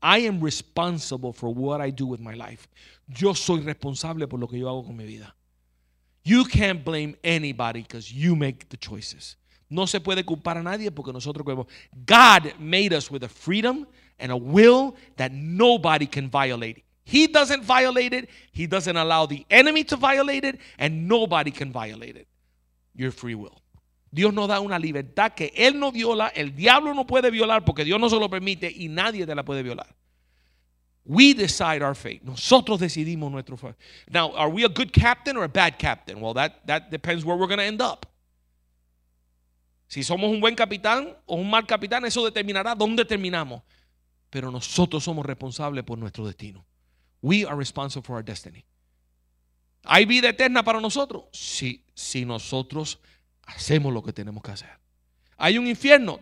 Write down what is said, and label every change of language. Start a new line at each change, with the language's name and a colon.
English: I am responsible for what I do with my life.
Spanish: Yo soy responsable por lo que yo hago con mi vida.
English: You can't blame anybody because you make the choices.
Spanish: No se puede culpar a nadie porque nosotros creemos.
English: God made us with a freedom and a will that nobody can violate. He doesn't violate it. He doesn't allow the enemy to violate it. And nobody can violate it. Your free will.
Spanish: Dios nos da una libertad que Él no viola, el diablo no puede violar porque Dios no se lo permite y nadie te la puede violar.
English: We decide our fate.
Spanish: Nosotros decidimos nuestro fate.
English: Now, are we a good captain or a bad captain? Well, that depends where we're going to end up.
Spanish: Si somos un buen capitán o un mal capitán, eso determinará dónde terminamos. Pero nosotros somos responsables por nuestro destino.
English: We are responsible for our destiny.
Spanish: ¿Hay vida eterna para nosotros? Si nosotros hacemos lo que tenemos que hacer. ¿Hay un infierno?